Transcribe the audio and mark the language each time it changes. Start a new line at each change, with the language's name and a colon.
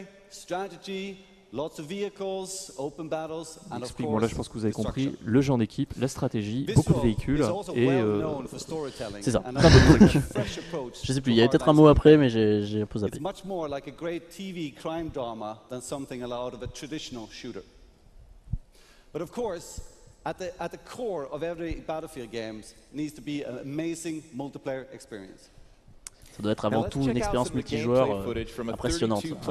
English: strategy, lots of vehicles, open battles, and of course,
French: bon, là, je pense que vous avez compris, le genre d'équipe, la stratégie, beaucoup de véhicules, et c'est ça, plein de trucs. Je sais plus, il y avait peut-être un mot après, mais j'ai un peu zappé.
English: It's much more like a great TV crime drama than something allowed of a traditional shooter. But of course, at the core of every Battlefield games needs to be an amazing multiplayer experience.
French: Ça doit être avant tout une expérience multijoueur impressionnante.